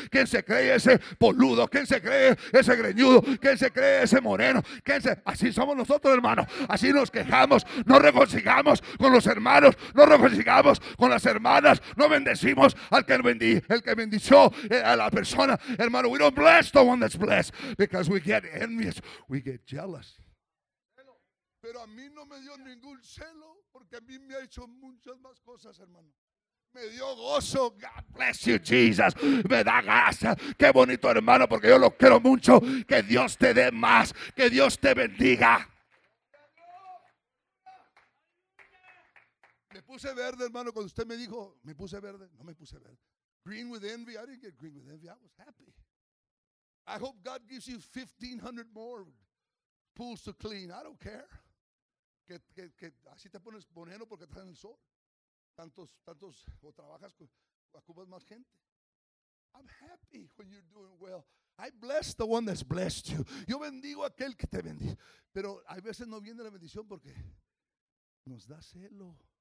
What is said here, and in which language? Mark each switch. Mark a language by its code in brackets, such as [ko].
[es] ¿Quién se cree ese boludo? ¿Quién se cree ese greñudo? ¿Quién se cree ese moreno? Así somos nosotros, hermano. Así nos quejamos, no reconciliamos con los hermanos, no reconciliamos con las hermanas, no bendecimos al que bendició a la persona, hermano. [en] We don't bless the one that's blessed because we get envious, we get jealous. [es] Pero a mí no me dio ningún celo porque a mí me ha hecho muchas más cosas, hermano. Me dio gozo. [en] God bless you, Jesus. [es] Me da gracia. Qué bonito, hermano, porque yo lo quiero mucho. Que Dios te dé más. Que Dios te bendiga. Me puse verde, hermano, cuando usted me dijo, me puse verde. No me puse verde. [en] Green with envy. I didn't get green with envy. I was happy. I hope God gives you 1,500 more pools to clean. I don't care. [es] Que así te pones moreno porque estás en el sol. Tantos, o trabajas, ocupas más gente. [en] I'm happy when you're doing well. I bless the one that's blessed you. [es] Yo bendigo a aquel que te bendice. Pero hay veces no viene la bendición porque nos da celo.